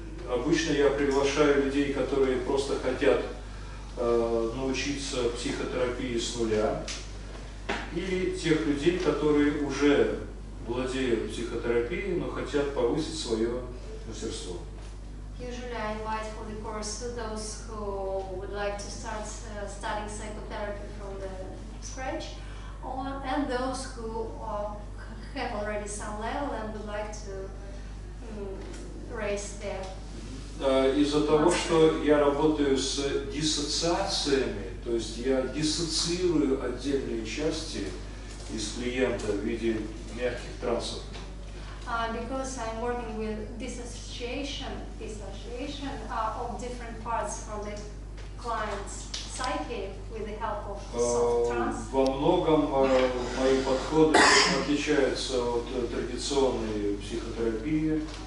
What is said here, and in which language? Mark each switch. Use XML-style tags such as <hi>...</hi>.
<ru>Обычно я приглашаю людей, которые просто хотят научиться психотерапии с нуля, или тех людей, которые уже владеют психотерапией, но хотят повысить свое мастерство.</ru> <en>Usually I invite for the course to those who would like to start studying psychotherapy from the scratch, or and those who have already some level and would like to raise their.</en> <ru>Из-за того, что я работаю с диссоциациями, то есть я диссоциирую отдельные части из клиента в виде мягких трансов.</ru> <en>Because I'm working with dissociation of different parts from the client's psyche with the help of soft trance.</en> <ru>Во многом мои подходы отличаются от традиционной психотерапии.</ru>